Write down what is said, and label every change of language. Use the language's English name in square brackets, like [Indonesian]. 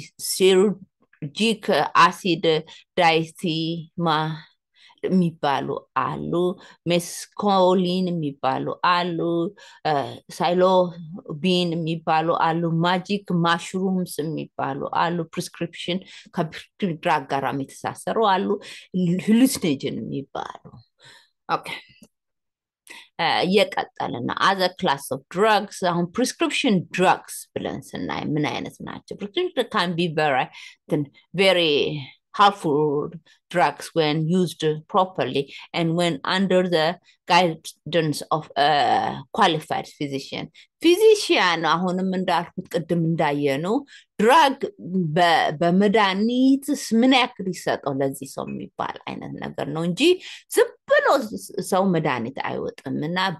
[Amharic] ሲሩጂክ አሲድ ዳይቲማ የሚባሉ አሉ። ሜስኮሊን የሚባሉ አሉ። ሳይሎቢን የሚባሉ አሉ። ማጂክ ማሽሩምስ የሚባሉ አሉ። ፕሪስክሪፕሽን ከፕሪስክሪፕሽን ድራግ ጋር የተሳሰሩ አሉ። ሂሉስኔጅን የሚባሉ እየቀጠልን ነው። [English] አዘ ክላስ ኦፍ ድራግስ [Amharic] አሁን ፕሪስክሪፕሽን ድራግስ ብለን ስናይ ምን አይነት ናቸው? [English] ፕሪስክሪፕሽን ካን ቢ ቨሪ harmful drugs when used properly and when under the guidance of a qualified physician. [Amharic] Physician, አሁንም እንዳልኩት ቅድም እንዳየነው ድራግ በመድኃኒት ምን ያክል ይሰጠው ለዚህ ሰው የሚባል አይነት ነገር ነው እንጂ ዝም ብሎ ሰው መድኃኒት አይወጥም። እና